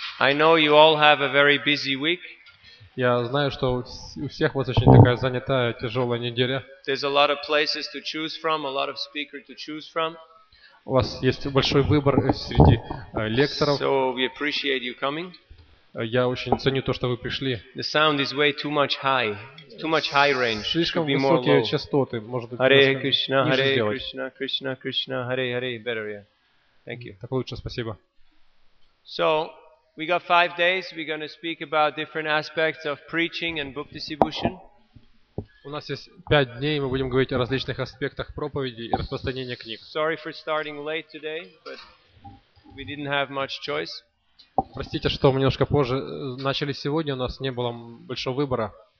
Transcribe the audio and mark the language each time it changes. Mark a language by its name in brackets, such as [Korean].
[English] I know you all have a very busy week. [Russian] Я знаю, что у всех вас очень такая занятая, тяжёлая неделя. [English] There's a lot of places to choose from, a lot of speakers to choose from. [Russian] У вас есть большой выбор среди лекторов. [English] So we appreciate you coming. [Russian] Я очень ценю то, что вы пришли. [English] The sound is way too much high. Too much high range. [Russian] Слишком высокие частоты, может быть. [English] Hare Krishna, Hare Krishna, Krishna Krishna, Hare Hare, better, yeah. Thank you. [Russian] Так лучше, спасибо. [English] So, we got 5 days, we're going to speak about different aspects of preaching and book distribution. [Russian] У нас есть 5 дней, мы будем говорить о различных аспектах проповеди и распространения книг. [English] Sorry for starting late today, but we didn't have much choice. [Russian] Простите, что мы немножко позже начали сегодня, у нас не было большого выбора.